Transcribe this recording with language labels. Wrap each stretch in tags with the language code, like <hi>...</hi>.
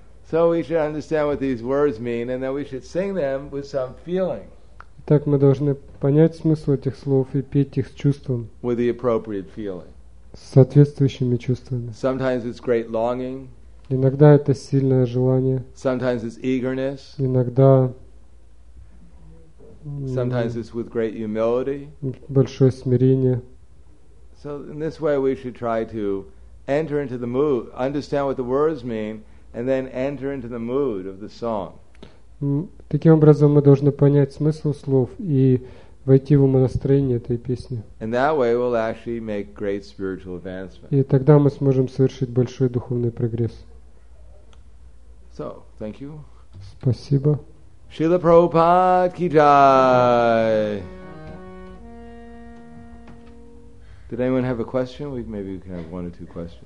<en>So we should understand what these words mean, and then we should sing them with some feeling.</en> <ru>Так мы должны понять смысл этих слов и петь их с чувством.</ru> <en>With the appropriate feeling.</en> <ru>С соответствующими чувствами.</ru> <en>Sometimes it's great longing.</en> <ru>Иногда это сильное желание.</ru> <en>Sometimes it's eagerness.</en> <ru>Иногда.</ru> <en>Sometimes it's with great humility.</en> <ru>Большое смирение.</ru> <en>So in this way, we should try to enter into the mood, understand what the words mean, and then enter into the mood of the song.</en> <ru>Таким образом, мы должны понять смысл слов и войти в умонастроение этой песни.</ru> <en>And that way we'll actually make great spiritual advancement.</en> <ru>И тогда мы сможем совершить большой духовный прогресс.</ru> <en>So, thank you.</en> <ru>Спасибо.</ru> <hi>Шрила Прабхупад ки джай.</hi> <en>Did anyone have a question? Maybe we can have one or two questions.</en>